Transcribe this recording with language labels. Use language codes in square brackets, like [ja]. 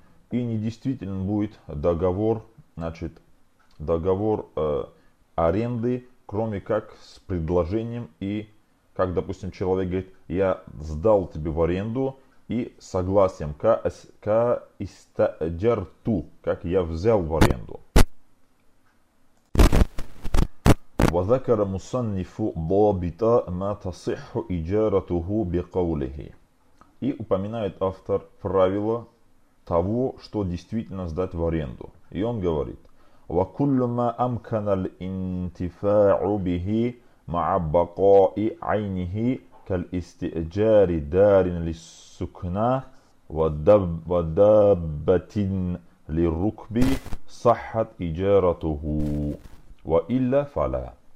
[ru] И недействителен будет договор, значит, договор аренды, кроме как с предложением. И как, допустим, человек говорит: я сдал тебе в аренду, и согласием, كَإِسْتَأْجَرْتُ, как я взял в аренду. [ar] وذكر مصنف ضابط ما تصح إجارته بقوله. [ru] И упоминает автор правило того, что действительно сдать в аренду. И он говорит: [ar] وكل ما أمكن الانتفاع به مع بقاء عينه كالاستئجار دار للسكنى ودابة للركب صحت إجارته وإلا فلا.